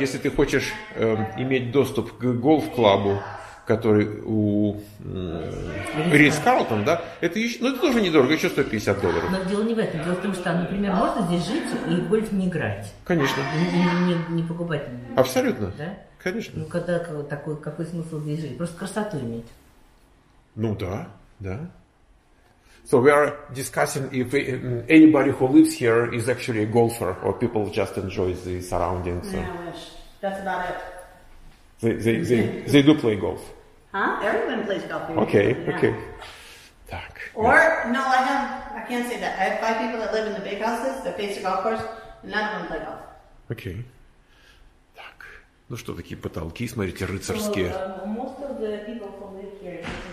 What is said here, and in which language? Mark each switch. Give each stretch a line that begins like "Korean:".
Russian: Если ты хочешь иметь доступ к гольф-клубу, который у Ритц-Карлтон, да, это еще, ну, это тоже недорого, еще $150. Но дело не в этом. Дело в том, что, например, можно здесь жить и в гольф не играть. Конечно. Не покупать. Не абсолютно. Да? Конечно. Ну, когда такой, какой смысл здесь жить? Просто красоту иметь. Ну, да, да.
English: So we are discussing if anybody who lives here is actually a golfer or people just enjoy the surroundings. So. Yeah, wish. That's about it. They do play golf. Huh? Everyone plays golf. Okay, yeah. Okay.
Russian: Так,
English: or, yeah. No, I can't say that. I have 5 people that live in the big houses, that face the golf course, and none of them play golf. Okay.
Russian: Так. Ну что, такие потолки, смотрите, рыцарские.
English: So, most of the people who live here